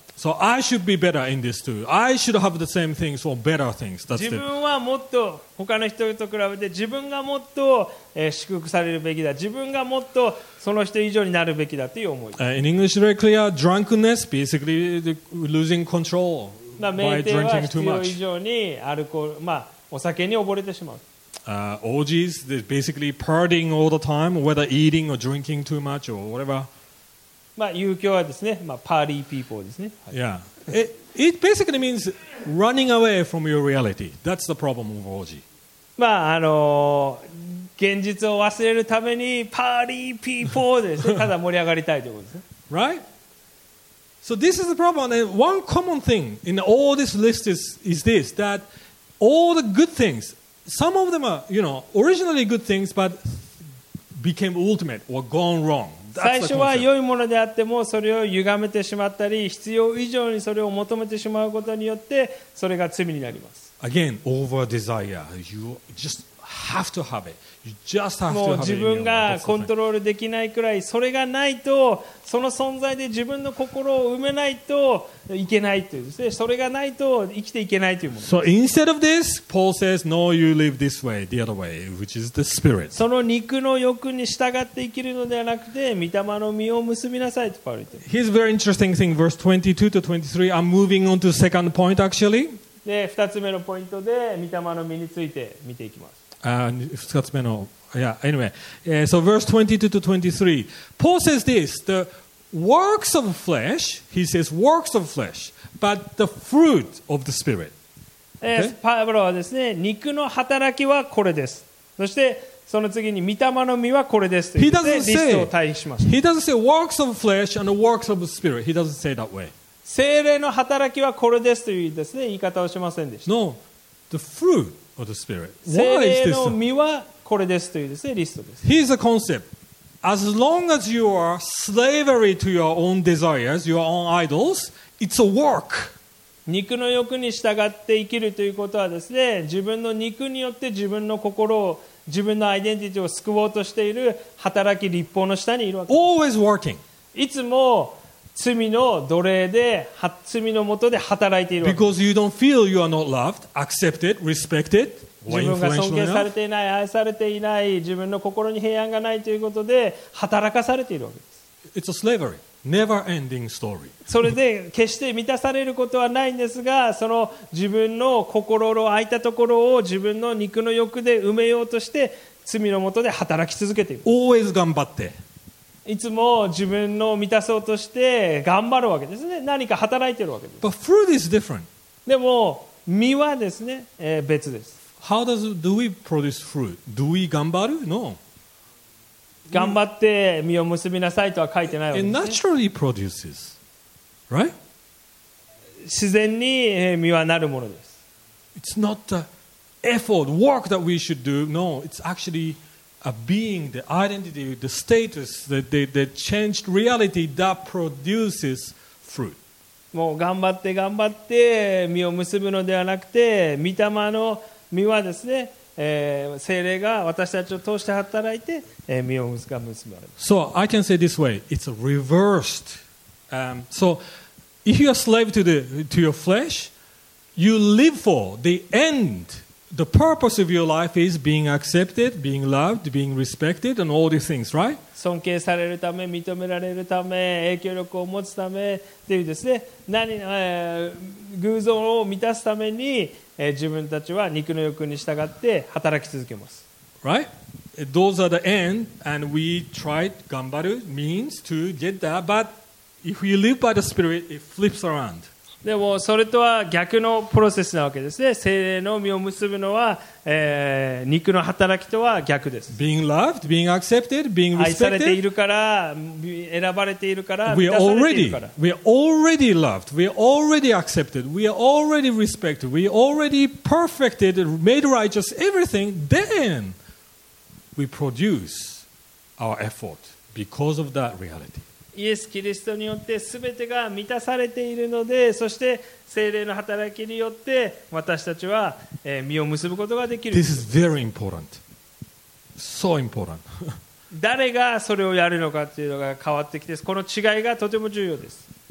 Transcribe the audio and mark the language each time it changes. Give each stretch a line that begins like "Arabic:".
English: So I should be better in this too. I should have the same things or better things. That's the...
Japanese: 自分はもっと他の人と比べて自分がもっと、祝福されるべきだ。自分がもっとその人以上になるべきだという思い。
English: In English, very clear. Drunkenness, basically the losing control.
Japanese: まあ、酩酊は必要以上にアルコール、まあ、お酒に溺れてしまう。
English: OGs, they're basically partying all the time, whether eating or drinking too much or whatever.
Japanese: まあ、遊興はですね、まあ、
English: party people
Japanese: ですね。は
English: い、yeah. It basically means running away from your reality. That's the problem of OG.
Japanese: まあ、現実を忘れるために
English: party people
Japanese: ですね。ただ盛り上がりたいということですね。
English: Right? So this is the problem. And one common thing in all this list is this, that all the good things, some of them are, you know, originally good things, but became ultimate or gone wrong. That's the concept.
Japanese: 最初は良いものであってもそれを歪めてしまったり、必要以上にそれを求めてしまうことによってそれが罪になります。
English: Again, over desire. You just have to have it. You just have
Japanese: もう自分がコントロールできないくらいそれがないとその存在で自分の心を埋めないといけないというですね。それがないと生きていけないというもの。
English: So instead of this, Paul says, "No, you live this way, the other way, which is the spirit."
Japanese: その肉の欲に従って生きるのではなくて、御霊の実を結びなさいとパウロ。
English: Here's a very interesting thing, verse 22 to 23. I'm moving on to the second point actually.
Japanese: で、二つ目のポイントで御霊の実について見ていきます。
English: So verse 22 to 23, Paul says this, the works of flesh, he says works of flesh, but the fruit of the spirit.
Japanese: パウロはですね、肉の働きはこれです。そしてその次に御霊の実はこれですと言ってリストを対比しました。
English: He doesn't say works of flesh and the works of the spirit. He doesn't say that way.
Japanese: 聖霊の働きはこれですというですね、言い方をしませんでした。
English: No, the fruit. Or the spirit. Why is this?
Japanese: 聖霊の実はこれですというですね、リストです。
English: Here's a concept. As long as you are slavery to your own desires, your own idols, it's a work.
Japanese: 肉の欲に従って生きるということはですね、自分の肉によって自分の心を、自分のアイデンティティを救おうとしている働き立法の下にいるわけです。
English: Always working.
Japanese: いつも罪の奴隷で罪のもとで働いているわけです。
English: Because you don't feel you are not loved, accepted, respected, or influential enough.
Japanese: 自分が尊敬されていない、愛されていない、自分の心に平安がないということで働かされているわけです。 It's a slavery, never ending story. それで決して満たされることはないんですが、その自分の心の空いたところを自分の肉の欲で埋めようとして罪のもとで働き続けている。
English: Always
Japanese: 頑張って、いつも自分の満たそうとして頑張るわけですね。何か働いているわけです。
English: But fruit is different.
Japanese: でも実はですね、別です。
English: How does do we produce fruit? Do we
Japanese: 頑張る?
English: No.
Japanese: 頑張って実を結びなさいとは書いてないわけです
English: ね。It naturally produces, right?
Japanese: 自然に実はなるものです。
English: It's not the effort, work that we should do. No, it's actually. A being, the identity, the status, the changed reality that produces fruit.
Japanese: もう頑張って頑張って実を結ぶのではなくて、御霊の実はですね、聖霊が私たちを通して働いて、実を結ぶ。
English: So I can say this way, it's a reversed. So if you are slave to your flesh, you live for the end. The purpose of your life is being accepted, being loved, being respected, and all these things, right?
Japanese: 尊敬されるため、認められるため、影響力を持つためっていうですね。何、偶像を満たすために、自分たちは肉の欲に従って働き続けます。
English: Right? Those are the end, and we try,
Japanese: 頑張る
English: means to get that. But if you live by the Spirit, it flips around.
Japanese: でもそれとは逆のプロセスなわけですね。聖霊の実を結ぶのは、肉の働きとは逆です。
English: Being loved, being accepted, being respected.
Japanese: 愛されているから、選ばれているから、満たされているから。
English: We are already loved. We are already accepted. We are already respected. We are already perfected, made righteous, everything. Then we produce our effort because of that reality.
Japanese: イエス・キリストによってすべてが満たされているので、そして聖霊の働きによって私たちは実を結ぶことができる。
English: This is very important. So important.
Japanese: 誰がそれをやるのかというのが変わってきて、この違いがとても重要です。